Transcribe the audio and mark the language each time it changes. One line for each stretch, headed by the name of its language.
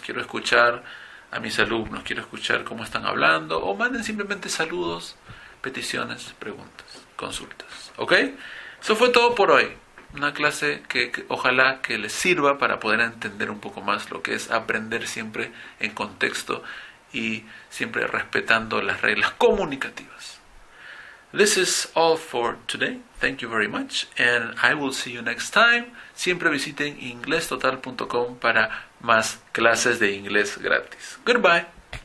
Spanish: Quiero escuchar a mis alumnos, quiero escuchar cómo están hablando, o manden simplemente saludos, peticiones, preguntas, consultas. ¿Ok? Eso fue todo por hoy. Una clase que ojalá que les sirva para poder entender un poco más lo que es aprender siempre en contexto y siempre respetando las reglas comunicativas.
English: This is all for today. Thank you very much and I will see you next time.
Spanish: Siempre visiten inglestotal.com para más clases de inglés gratis.
English: Goodbye.